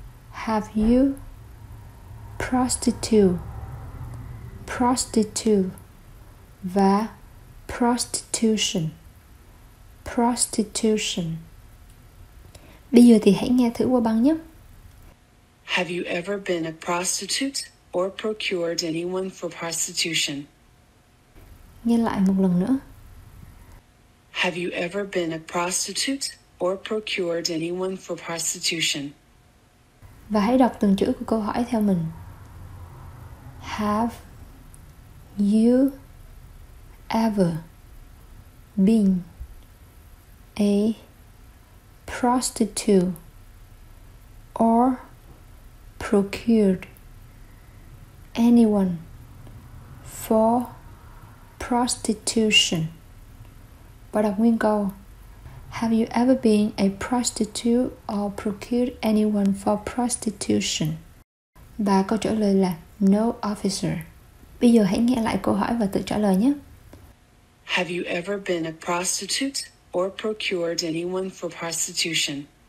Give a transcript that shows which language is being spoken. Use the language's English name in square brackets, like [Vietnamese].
[English] Have you. Prostitute. prostitute và prostitution. [Vietnamese] Prostitution. Bây giờ thì hãy nghe thử qua băng nhé. [English] Have you ever been a prostitute or procured anyone for prostitution? [Vietnamese] Nghe lại một lần nữa. [English] Have you ever been a prostitute or procured anyone for prostitution? [Vietnamese] Và hãy đọc từng chữ của câu hỏi theo mình. [English] Have you ever been a prostitute or procured anyone for prostitution? [Vietnamese] Bài đọc nguyên câu. [English] Have you ever been a prostitute or procured anyone for prostitution? [Vietnamese] Và câu trả lời là [English] no, officer. [Vietnamese] Bây giờ hãy nghe lại câu hỏi và tự trả lời nhé. [English] Have you ever been a prostitute or procured anyone for prostitution?